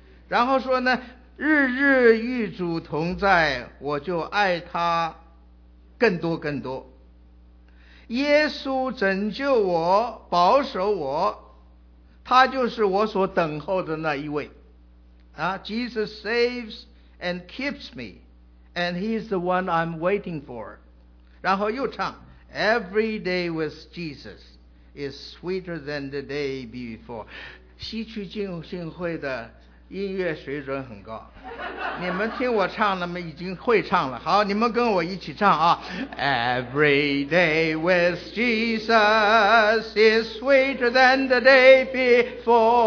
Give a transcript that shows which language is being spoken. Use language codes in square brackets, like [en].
[zh] 然后说呢，日日与主同在，我就爱他。更多更多，耶稣拯救我，保守我，他就是我所等候的那一位啊。 [en] Jesus saves and keeps me, and he is the one I'm waiting for. [zh] 然后又唱 [en] Every day with Jesus is sweeter than the day before. [zh] 西区浸信会的音乐水准很高，你们听我唱了吗？已经会唱了。好，你们跟我一起唱啊 [en] ！Every day with Jesus is sweeter than the day before.